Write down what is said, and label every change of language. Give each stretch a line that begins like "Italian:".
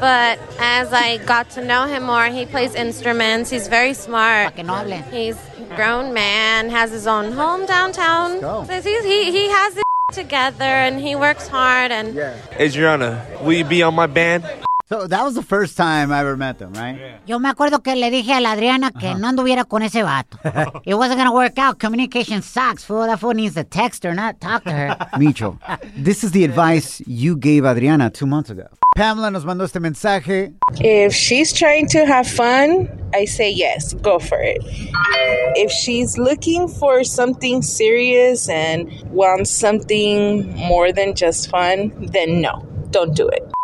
English: But as I got to know him more, he plays instruments. He's very smart. He's a grown man, has his own home downtown. Let's go. He has it together and he works hard. And Adriana, will you be on my band? So that was the first time I ever met them, right? Yeah.
Spanish: Yo me acuerdo que le dije a la Adriana que no anduviera con ese vato.
English: It wasn't going to work out. Communication sucks, fool. That fool needs to text her, not talk to her. Micho, this is the advice you gave Adriana 2 months ago.
Spanish: Pamela nos mandó este mensaje.
English: If she's trying to have fun, I say yes, go for it. If she's looking for something serious and wants something more than just fun, then no, don't do it.